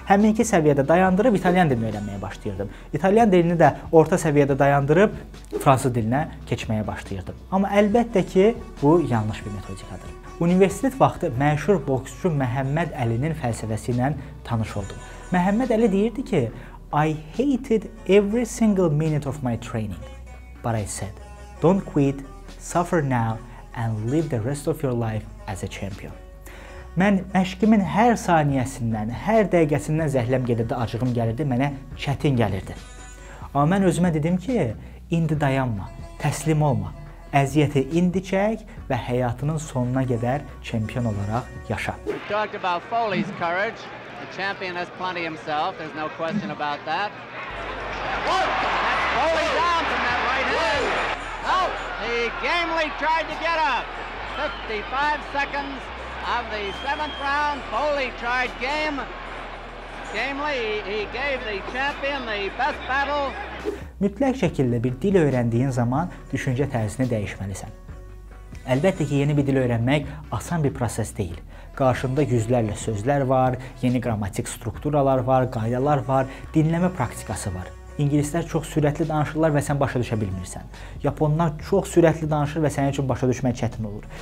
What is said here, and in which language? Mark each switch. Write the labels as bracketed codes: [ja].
[az] Həminki səviyyədə dayandırıb italyan dilini öyrənməyə başlayırdım. İtalyan dilini də orta səviyyədə dayandırıb fransız dilinə keçməyə başlayırdım. Amma əlbəttə ki, bu yanlış bir metodikadır. Universitet vaxtı məşhur boksçu Məhəmməd Əlinin fəlsəfəsi ilə tanış oldum. Məhəmməd Əli deyirdi ki, [en] I hated every single minute of my training, but I said, don't quit, suffer now and live the rest of your life as a champion. [az] Mən məşqimin hər saniyəsindən, hər dəqiqəsindən zəhləm gedirdi, acığım gəlirdi, mənə çətin gəlirdi. Amma mən özümə dedim ki, indi dayanma, təslim olma. Əziyyəti indi çək və həyatının sonuna qədər çempion olaraq yaşa. [en] We've talked about Foley's courage. The champion has plenty himself. There's no question about that. Foley down from that right hand. Oh, he gamely tried to get up. 55 seconds of the seventh round. Foley tried game. Gamely, he gave the champion the best battle. [az] Mütləq şəkildə bir dil öyrəndiyin zaman düşüncə tərzini dəyişməlisən. Əlbəttə ki, yeni bir dil öyrənmək asan bir proses deyil. Qarşında yüzlərlə sözlər var, yeni qrammatik strukturalar var, qaydalar var, dinləmə praktikası var. İngilislər çox sürətli danışırlar və sən başa düşə bilmirsən. Yaponlar çox sürətli danışır və sənin üçün başa düşmək çətin olur.